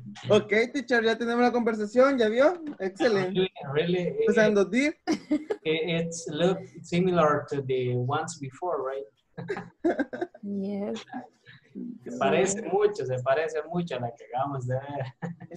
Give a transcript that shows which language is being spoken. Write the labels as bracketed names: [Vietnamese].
[Spanish] Ok, teacher, ya tenemos la conversación, ¿ya vio? Excelente. [English] Really? [Spanish] Usando deep. [English] It's look similar to the ones before, right? Yes. [Spanish] Se parece mucho a la que acabamos de ver.